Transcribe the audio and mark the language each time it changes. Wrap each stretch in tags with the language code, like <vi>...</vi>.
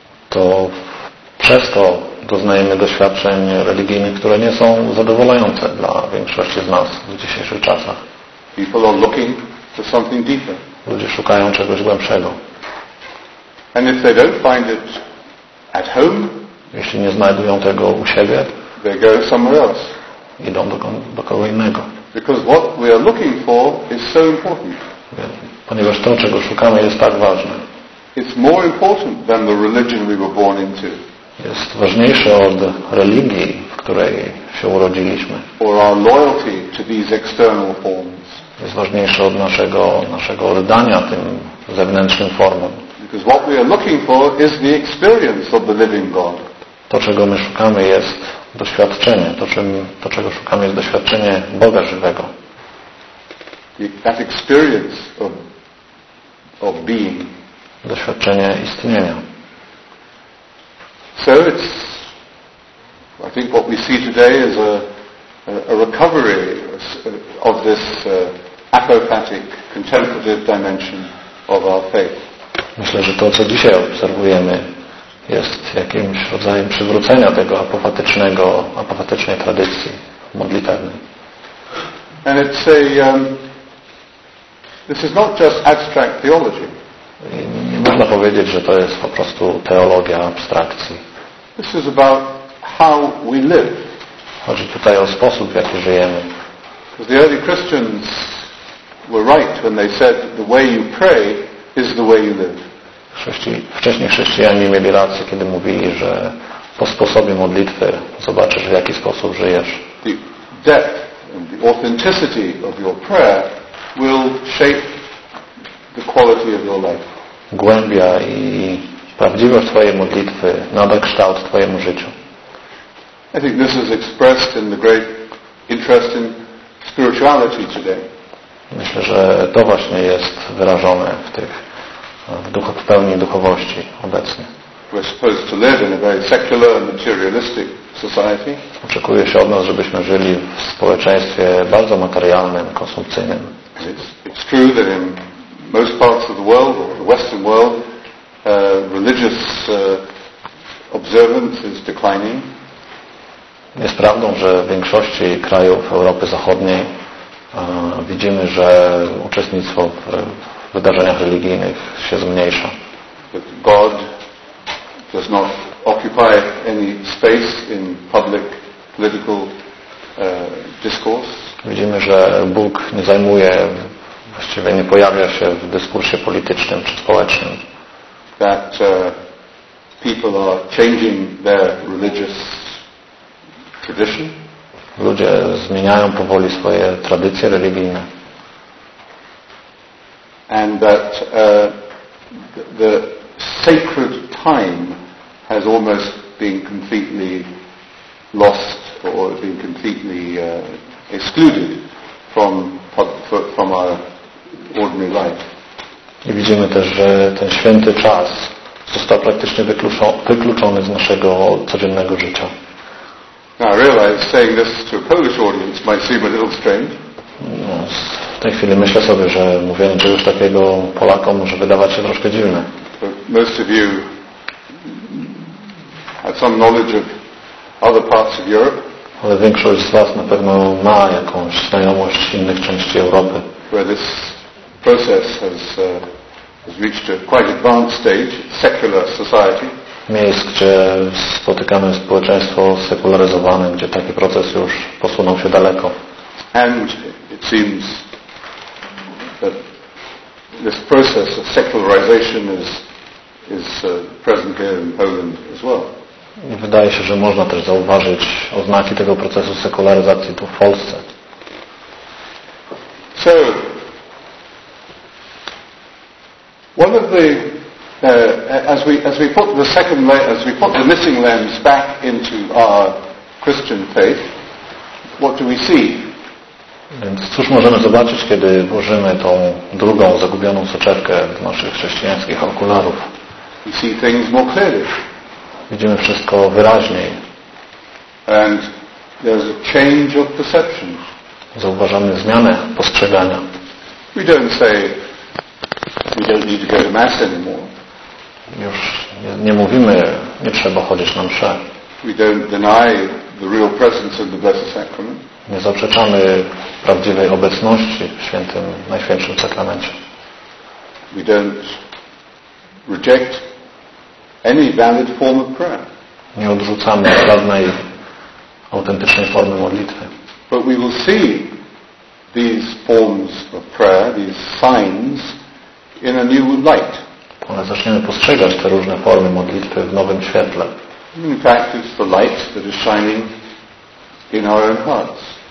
<pl>To przez to doznajemy doświadczeń religijnych, które nie są zadowalające dla większości z nas w dzisiejszych czasach.</pl> <en>People are looking for something deeper.</en> <pl>Ludzie szukają czegoś głębszego.</pl> <en>And if they don't find it at home,</en> <pl>jeśli nie znajdują tego u siebie,</pl> <en>they go somewhere else.</en> <pl>Idą do kogo innego.</pl> <en>Because what we are looking for is so important.</en> <pl>Ponieważ to, czego szukamy, jest tak ważne.</pl> <en>It's more important than the religion we were born into.</en> <pl>Jest ważniejsze od religii, w której się urodziliśmy.</pl> <en>Or our loyalty to these external forms.</en> <pl>Jest ważniejsze od naszego oddania tym zewnętrznym formom.</pl> <en>Because what we are looking for is the experience of the living God.</en> <pl>To, czego my szukamy, jest doświadczenie. To, czego szukamy, jest doświadczenie Boga żywego.</pl> <en>That experience of being.</en> <pl>Doświadczenie istnienia.</pl> <en>So it's, I think what we see today is a recovery of this apophatic contemplative dimension of our faith.</en> <pl>Myślę, że to, co dzisiaj obserwujemy, jest jakimś rodzajem przywrócenia tego apofatycznej tradycji modlitewnej.</pl> <en>And it's a this is not just abstract theology.</en> <pl>Nie można powiedzieć, że to jest po prostu teologia abstrakcji.</pl> <en>This is about how we live.</en> <pl>Chodzi tutaj o sposób, w jaki żyjemy.</pl> <en>Because the early Christians were right when they said the way you pray is the way you live.</en> <pl>Wcześniej chrześcijanie mieli rację, kiedy mówili, że po sposobie modlitwy zobaczysz, w jaki sposób żyjesz.</pl> <en>The depth and the authenticity of your prayer will shape the quality of your life.</en> <pl>Głębia i prawdziwość twojej modlitwy nada kształt twojemu życiu.</pl> <en>I think this is expressed in the great interest in spirituality today.</en> <pl>Myślę, że to właśnie jest wyrażone w tych w pełni duchowości obecnie.</pl> <en>We're supposed to live in a very secular and materialistic society.</en> <pl>Oczekuje się od nas, żebyśmy żyli w społeczeństwie bardzo materialnym, konsumpcyjnym.</pl> <en>It's true that in most parts of the world, or the Western world, religious observance is declining.</en> <pl>Jest prawdą, że w większości krajów Europy Zachodniej widzimy, że uczestnictwo w wydarzeniach religijnych się zmniejsza.</pl> <en>But God does not occupy any space in public political discourse.</en> <pl>Widzimy, że Bóg nie zajmuje, właściwie nie pojawia się w dyskursie politycznym czy społecznym.</pl> <en>That people are changing their religious tradition.</en> <pl>Ludzie zmieniają powoli swoje tradycje religijne.</pl> <en>And that the sacred time has almost been completely lost or been completely excluded from our ordinary life.</en> <pl>I widzimy też, że ten święty czas został praktycznie wykluczony z naszego codziennego życia.</pl> <en>Now I realize saying this to a Polish audience might seem a little strange.</en> <pl>W tej chwili myślę sobie, że mówienie czegoś takiego Polakom może wydawać się troszkę dziwne.</pl> <en>Most of you have some knowledge of other parts of Europe.</en> <pl>Ale większość z was na pewno ma jakąś znajomość innych części Europy.</pl> <en>Where this process has reached a quite advanced stage, secular society.</en> <pl>Miejsc, gdzie spotykamy społeczeństwo sekularyzowane, gdzie taki proces już posunął się daleko.</pl> <en>And it seems that this process of secularization is present here in Poland as well.</en> <pl>Wydaje się, że można też zauważyć oznaki tego procesu sekularyzacji tu w Polsce.</pl> <en>So, one of the as we put the missing lens back into our Christian faith, what do we see?</en> <pl>Więc cóż możemy zobaczyć, kiedy włożymy tą drugą zagubioną soczewkę do naszych chrześcijańskich okularów?</pl> <en>We see things more clearly.</en> <pl>Widzimy wszystko wyraźniej.</pl> <en>And there's a change of perception.</en> <pl>Zauważamy zmianę postrzegania.</pl> <en>We don't say we don't need to go to mass anymore.</en> <pl>Już nie mówimy, nie trzeba chodzić na mszę.</pl> <en>We don't deny the real presence of the Blessed Sacrament.</en> <pl>Nie zaprzeczamy prawdziwej obecności w świętym, najświętszym sakramencie.</pl> <en>We don't reject any valid form of prayer.</en> <pl>Nie odrzucamy żadnej autentycznej formy modlitwy.</pl> <en>But we will see these forms of prayer, these signs, in a new light.</en> <pl>Ale zaczniemy postrzegać te różne formy modlitwy w nowym świetle.</pl> <en>In fact, it's the light that is shining in our own hearts.</en>